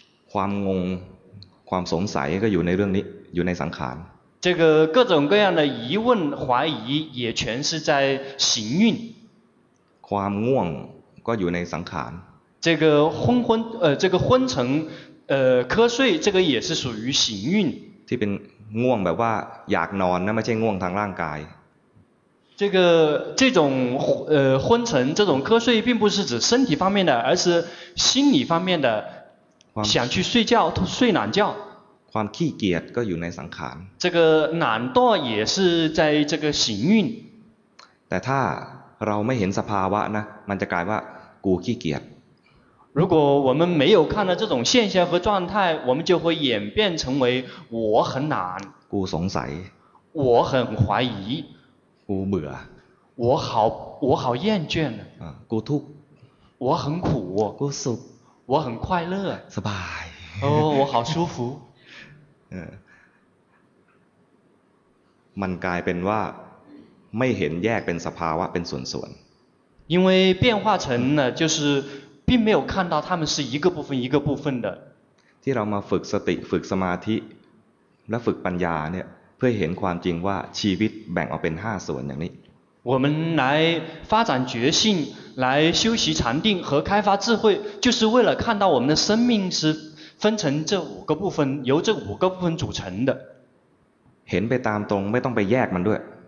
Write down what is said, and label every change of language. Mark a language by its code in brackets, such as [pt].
[th] ความงงความสงสัยก็อยู่ในเรื่องนี้อยู่ในสังขาร [zh] 这个各种各样的疑问怀疑也全是在行运 [th] ความง่วงก็อยู่ในสังขาร [zh] 这个昏沉瞌睡这个也是属于行运 [th] ที่เป็นง่วงแบบว่าอยากนอนนะไม่ใช่ง่วงทางร่างกาย [zh] 这个这种昏沉，这种瞌睡，并不是指身体方面的，而是心理方面的，想去睡觉，睡懒觉。 [th] ความขี้เกียจก็อยู่ในสังขาร [zh] 这个懒惰也是在这个行运。 [th] แต่ถ้าเราไม่เห็นสภาวะนะมันจะกลายว่ากูขี้เกียจ [zh] 如果我们没有看到这种现象和状态，我们就会演变成为我很懒。 [th] กูสงสัย [zh] 我很怀疑。 [th] กูเบื่อ [zh] 我好厌倦了。 [th] กูทุก [zh] 我很苦。 [th] กูสุข [zh] 我很快乐。 [th] สบาย [zh] 哦，我好舒服。 [th] มันกลายเป็นว่าไม่เห็นแยกเป็นสภาวะเป็นส่วน [zh] ๆ因为变化成呢就是并没有看到他们是一个部分一个部分的 [th] ที่เรามาฝึกสติฝึกสมาธิและฝึกปัญญาเนี่ยเพื่อเห็นความจริงว่าชีวิตแบ่งออกเป็น5ส่วนอย่างนี้ [zh] 我们来发展觉性来修习禅定和开发智慧就是为了看到我们的生命是分成这五个部分由这五个部分组成的 [th] เห็นไปตามตรงไม่ต้องไปแยกมันด้วย